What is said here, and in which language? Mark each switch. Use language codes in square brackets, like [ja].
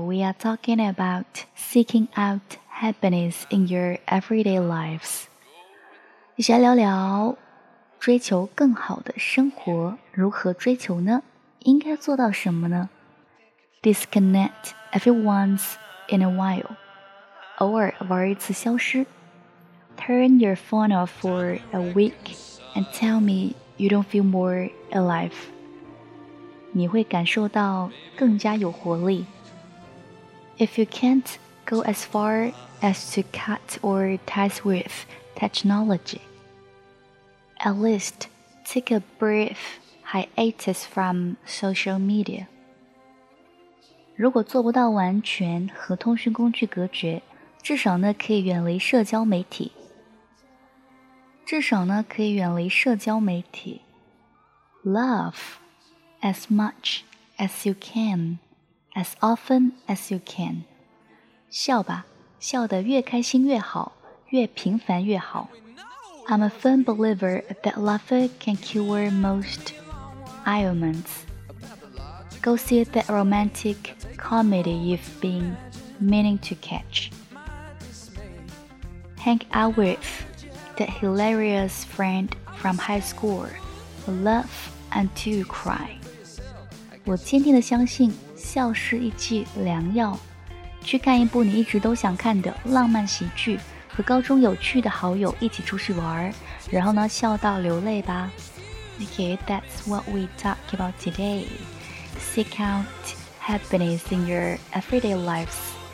[en] We are talking about seeking out happiness in your everyday lives. 一起来聊聊追求更好的生活，如何追求呢？ [zh] 应该做到什么呢？ [en] Disconnect every once in a while. [zh] 偶尔玩一次消失。 [en] Turn your phone off for a week and tell me you don't feel more alive. [zh] 你会感受到更加有活力。 [en] If you can't go as far as to cut or ties with technology, at least take a brief hiatus from social media. [zh] 如果做不到完全和通讯工具隔绝，至少呢可以远离社交媒体。至少呢可以远离社交媒体。 [en] Love as much as you can, as often as you can. [zh] 笑吧，笑得越开心越好，越频繁越好。 [en] I'm a firm believer that laughter can cure most ailments. Go see that romantic comedy you've been meaning to catch. Hang out with that hilarious friend from high school. Laugh until you cry. [zh] 我坚定地相信笑是一剂良药。去看一部你一直都想看的浪漫喜剧，和高中有趣的好友一起出去玩，然后呢笑到流泪吧。 [en] Okay, that's what we talk about today. Seek out happiness in your everyday lives.